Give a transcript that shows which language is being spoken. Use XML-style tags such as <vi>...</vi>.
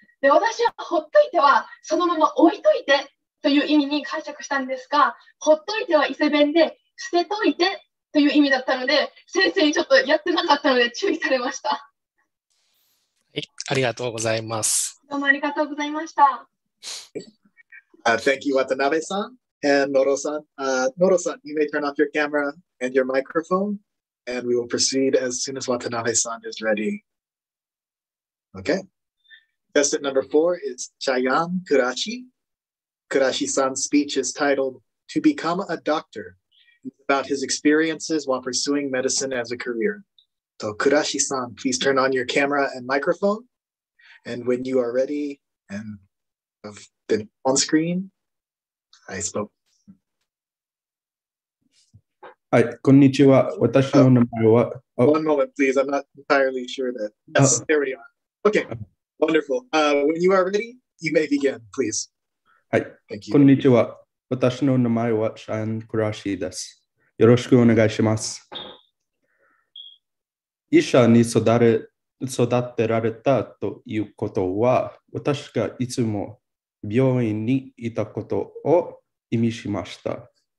<ja>で、私はほっといてはそのまま置いといてという意味に解釈したんですが、ほっといては伊勢弁で捨てといてという意味だったので、先生にちょっとやってなかったので注意されました。ありがとうございます。どうもありがとうございました。</ja> <en>Thank you, Watanabe-san and Noro-san. Noro-san, you may turn off your camera and your microphone, and we will proceed as soon as Watanabe-san is ready. Okay. Contestant number four is Chayan Kurashi. Kurashi-san's speech is titled To Become a Doctor. About his experiences while pursuing medicine as a career. So, Kurashi-san, please turn on your camera and microphone. And when you are ready and have been on screen, I spoke. Hi,</en> <ja>konnichiwa. Watashi no namae wa.</ja> <en>One moment, please. I'm not entirely sure that. Yes, there we are. Okay, wonderful. When you are ready, you may begin, please. Hi,</en> <ja>konnichiwa. Watashi no namae wa Chayan Kurashi desu. よろしくお願いします。医者に育てられたということは、私がいつも病院にいたことを意味しました。</ja>